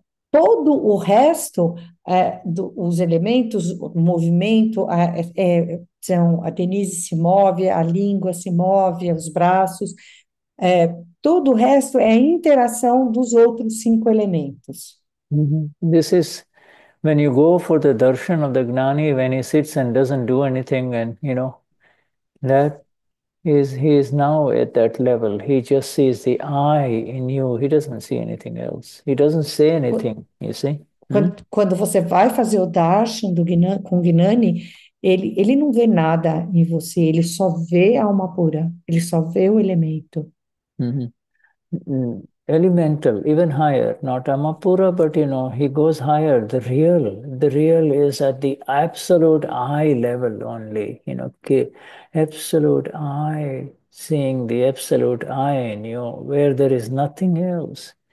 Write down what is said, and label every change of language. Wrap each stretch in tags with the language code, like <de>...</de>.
<pt>Todo o resto, os elementos, o movimento, são, a Denise se move, a língua se move, os braços, todo o resto é a interação dos outros cinco elementos.</pt> <en>This is when you go for the darshan of the Gnani, when he sits and doesn't do anything, and that is, he is now at that level. He just sees the I in you. He doesn't see anything else. He doesn't say anything, you see?</en> <pt>Quando você vai fazer o darshan com o Gnani, ele não vê nada em você, ele só vê a alma pura, ele só vê o elemento.</pt> <en>Elemental, even higher, not Amapura, but he goes higher. The real is at the absolute I level only. Absolute I, seeing the absolute I in you, where there is nothing else.</en>